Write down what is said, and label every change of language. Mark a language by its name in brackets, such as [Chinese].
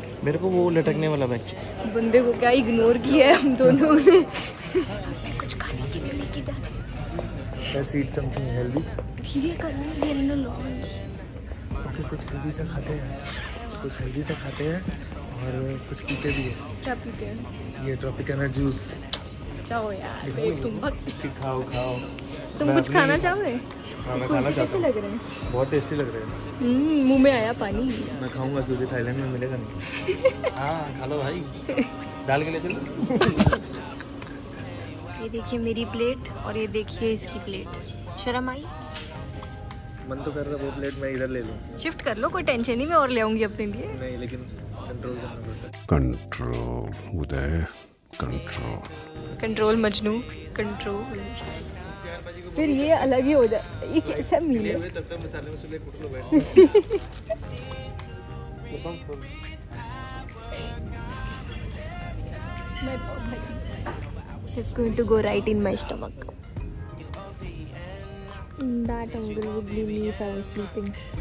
[Hindi] मेरे को वो लटकने वाला बैग चाहिए। बंदे को क्या इग्नोर किया है हम दोनों ने। कुछ खाने के लिए लेके जाते हैं। [English] Let's eat something healthy. [Hindi] धीरे करो, [English] get in the lounge. [Hindi] Okay, कुछ हेल्दी से खाते हैं, कुछ हेल्दी से खाते हैं और कुछ पीते भी है। क्या पीते हैं? ये ट्रॉपिकाना जूस। जाओ यार, तुम बहुत खाओ खाओ। तुम कुछ खाना चाहोगे? खाना चाहते लग रहे हैं। बहुत टेस्टी लग रहे हैं। मुंह में आया पानी। मैं खाऊंगा क्योंकि थाईलैंड में मिलेगा नहीं। हाँ खा लो भाई, डाल के ले चलो। ये देखिए मेरी प्लेट और ये देखिए इसकी प्लेट। शर्म आई? मन तो कर रहा है वो प्लेट मैं इधर ले लूँ। शिफ्ट कर लो, कोई टेंशन नहीं, मैं और ले आऊंगी अपने लिए। नहीं लेकिन कंट्रोल करना पड़ता है। कंट्रोल उदय, कंट्रोल कंट्रोल मजनू कंट्रोल। फिर ये अलग ही हो जाए। ये कैसा मिले हुए तब तक मसाले में से ले कुट लो बैठ। मैं बहुत मजा। [English] It's going to go right in my stomach. That angle would be me if I was sleeping.